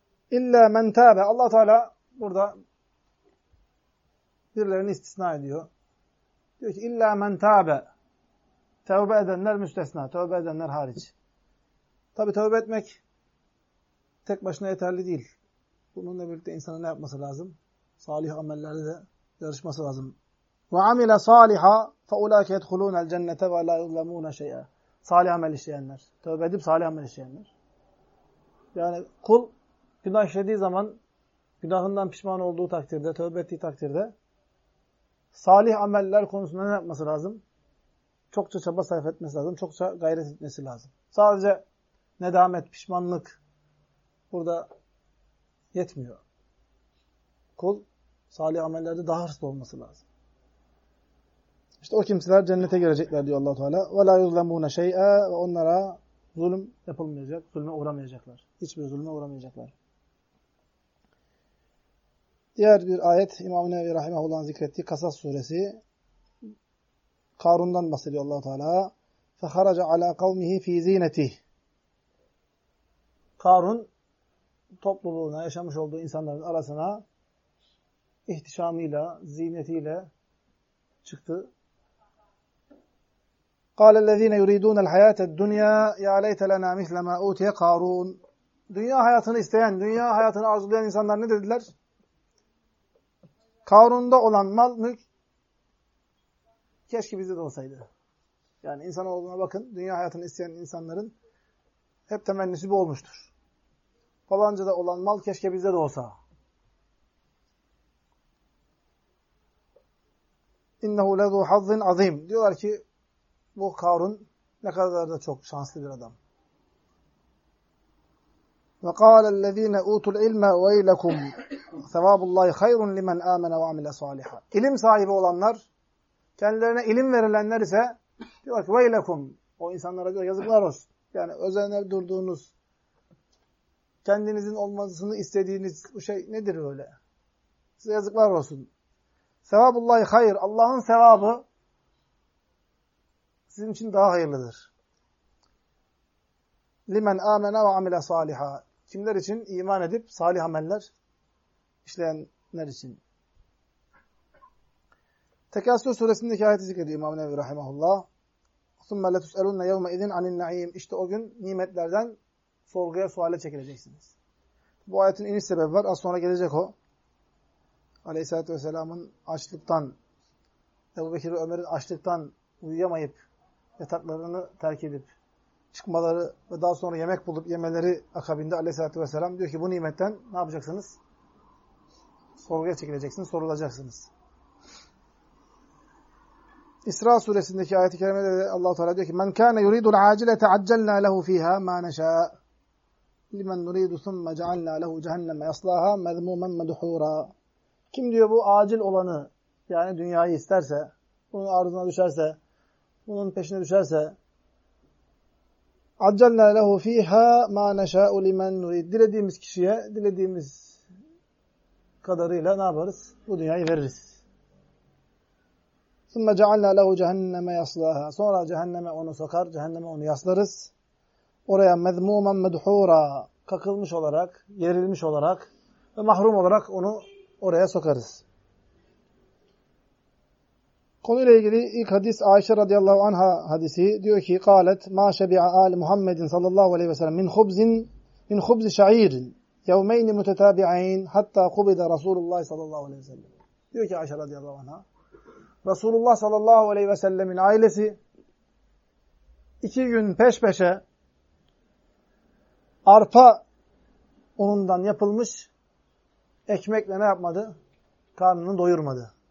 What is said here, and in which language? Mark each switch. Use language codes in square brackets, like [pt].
[ar] İlla men tâbe. [tr] Allah Teala burada birilerini istisna ediyor. Diyor ki [ar] illa men tâbe. [tr] Tevbe edenler müstesna. Tevbe edenler hariç. Tabi tevbe etmek tek başına yeterli değil. Bununla birlikte insanın ne yapması lazım? Salih amellerle de yarışması lazım. [ar] وَعَمِلَ صَالِحًا فَاُولَٰكَ يَدْخُلُونَ الْجَنَّةَ وَلَا يُظْلَمُونَ شَيْئًا [tr] Salih amel işleyenler. Tövbe edip salih amel işleyenler. Yani kul günah işlediği zaman günahından pişman olduğu takdirde, tövbe ettiği takdirde salih ameller konusunda ne yapması lazım? Çokça çaba sarf etmesi lazım. Çokça gayret etmesi lazım. Sadece nedamet, pişmanlık burada yetmiyor. Kul salih amellerde daha hırslı olması lazım. İşte o kimseler cennete girecekler diyor Allah-u Teala. [ar] وَلَا يُظْلَمُونَ شَيْئًا [tr] Ve onlara zulüm yapılmayacak, zulme uğramayacaklar. Hiçbir zulme uğramayacaklar. Diğer bir ayet, İmam-ı Nevevi Rahimahullah'ın zikrettiği Kasas suresi. Karun'dan bahsediyor Allah-u Teala. [ar] فَخَرَجَ عَلَى قَوْمِهِ فِي زِينَتِهِ [tr] Karun, topluluğuna, yaşamış olduğu insanların arasına ihtişamıyla, ziynetiyle çıktı. [ar] قال الذين يريدون الحياة الدنيا يا ليت لنا مثل ما أوتي قارون [tr] Dünya hayatını isteyen, dünya hayatını arzulayan insanlar ne dediler? Karun'da olan mal, mülk keşke bizde de olsaydı. Yani insanoğluna bakın, dünya hayatını isteyen insanların hep temennisi bu olmuştur. Falanca da olan mal keşke bizde de olsa. [ar] İnnehu lezu hazzin azim. [tr] Diyorlar ki bu Karun ne kadar da çok şanslı bir adam. [ar] وَقَالَ الَّذ۪ينَ اُوتُ الْعِلْمَ وَاَيْلَكُمْ ثَوَابُ اللّٰهِ خَيْرٌ لِمَنْ آمَنَ وَعَمِلَ صَالِحًا [tr] İlim sahibi olanlar, kendilerine ilim verilenler ise diyor ki [ar] وَاَيْلَكُمْ [tr] O insanlara diyor yazıklar olsun. Yani özenle durduğunuz, kendinizin olmasını istediğiniz bu şey nedir öyle? Size yazıklar olsun. [ar] ثَوَابُ اللّٰهِ خَيْرٌ [tr] Allah'ın sevabı sizin için daha hayırlıdır. [ar] لِمَنْ آمَنَا وَعَمِلَ صَالِحًا [tr] Kimler için? İman edip salih ameller işleyenler için. Tekasür suresindeki ayeti zikrediyor İmam-ı Nevevi rahimahullah. [ar] ثُمَّ لَتُسْأَلُنَّ يَوْمَ اِذِنْ عَنِ النَّعِيمِ [tr] İşte o gün nimetlerden sorguya, suale çekileceksiniz. Bu ayetin iniş sebebi var. Az sonra gelecek o. Aleyhisselatü Vesselam'ın açlıktan, Ebu Bekir ve Ömer'in açlıktan uyuyamayıp yataklarını terk edip çıkmaları ve daha sonra yemek bulup yemeleri akabinde aleyhissalatü vesselam diyor ki bu nimetten ne yapacaksınız? Sorguya çekileceksiniz, sorulacaksınız. İsra suresindeki ayet-i kerimede de Allah-u Teala diyor ki [ar] مَنْ كَانَ يُرِيدُ الْعَاجِلَةَ عَجَّلْنَا لَهُ ف۪يهَا مَا نَشَاءَ لِمَنْ نُرِيدُ ثُمَّ جَعَلْنَا لَهُ جَهَنَّمَ يَصْلَاهَا مَذْمُومًا مَدْحُورًا [tr] Kim diyor bu acil olanı, yani dünyayı isterse, bunun arzına düşerse, bunun peşine düşerse, [ar] عَجَّلْنَا لَهُ ف۪يهَا مَا نَشَاءُ لِمَنْ نُرِيدُ. [tr] Dilediğimiz kişiye, dilediğimiz kadarıyla ne yaparız? Bu dünyayı veririz. [ar] ثُمَّ جَعَلْنَا لَهُ جَهَنَّمَ يَصْلَاهَا. [tr] Sonra cehenneme onu sokar, cehenneme onu yaslarız. Oraya [ar] مَذْمُومًا مَدْحُورًا. [tr] Kakılmış olarak, yerilmiş olarak ve mahrum olarak onu oraya sokarız. Konuyla ilgili ilk hadis Ayşe radıyallahu anha hadisi diyor ki [ar] قالت ما شبع آل محمد صلى الله عليه وسلم من خبز شعير يومين متتابعين حتى قبض رسول الله صلى الله عليه وسلم. [tr] Diyor ki Ayşe radıyallahu anha, Resulullah sallallahu aleyhi ve sellemin ailesi iki gün peş peşe arpa unundan yapılmış ekmekle ne yapmadı? Karnını doyurmadı.